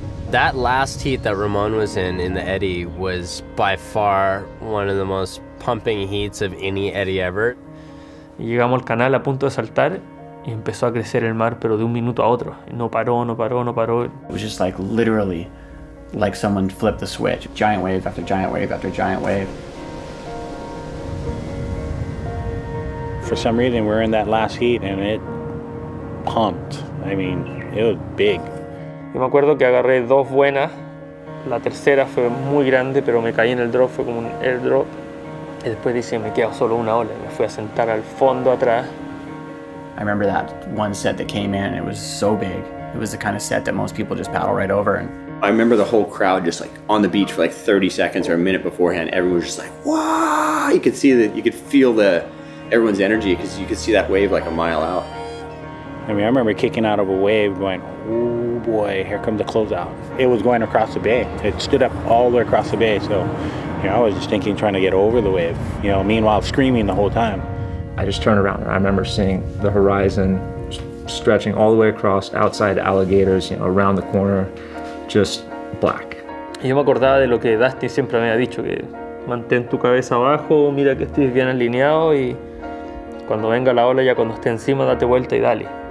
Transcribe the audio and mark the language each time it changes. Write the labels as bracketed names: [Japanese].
[English] That last heat that Ramon was in the eddy, was by far one of the most pumping heats of any eddy ever. [Spanish] Llegamos al canal a punto de saltar y empezó a crecer el mar, pero de un minuto a otro. No paró, no paró, no paró. [English] It was just like literally like someone flipped the switch. Giant wave after giant wave after giant wave. For some reason, we're in that last heat and it pumped. I mean, it was big. [Spanish] Yo me acuerdo que agarré dos buenas. La tercera fue muy grande, pero me caí en el drop, fue como un airdrop. Y después dice, me quedo solo una ola. Me fui a sentar al fondo atrás. [English] I remember that one set that came in, it was so big. It was the kind of set that most people just paddle right over. And I remember the whole crowd just like on the beach for like 30 seconds or a minute beforehand. Everyone was just like, wow! You could see that, you could feel the everyone's energy because you could see that wave like a mile out. I mean, I remember kicking out of a wave going, oh boy, here comes the closeout. It was going across the bay. It stood up all the way across the bay. So, you know, I was just thinking, trying to get over the wave, you know, meanwhile screaming the whole time. I just turned around and I remember seeing the horizon stretching all the way across outside alligators, you know, around the corner, just black. [Spanish] Y yo me acordaba de lo que Dustin siempre me había dicho, que mantén tu cabeza abajo, mira que estés bien alineado y cuando venga la ola, ya cuando esté encima, date vuelta y dale.